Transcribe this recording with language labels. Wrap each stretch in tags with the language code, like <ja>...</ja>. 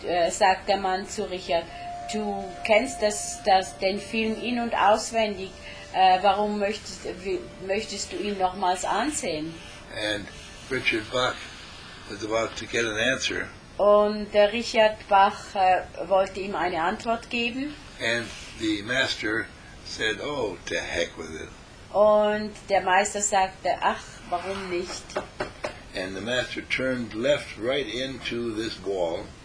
<de>Sagt der Mann zu Richard, du kennst den Film in- und auswendig, warum möchtest du ihn nochmals ansehen?</de> <en>And Richard Bach was about to get an answer.</en> <de>Und der Richard Bach wollte ihm eine Antwort geben.</de> <en>And the master said, oh, to heck with it.</en> <de>Und der Meister sagte, ach, warum nicht?</de> <en>And the master turned left right into this wall,</en>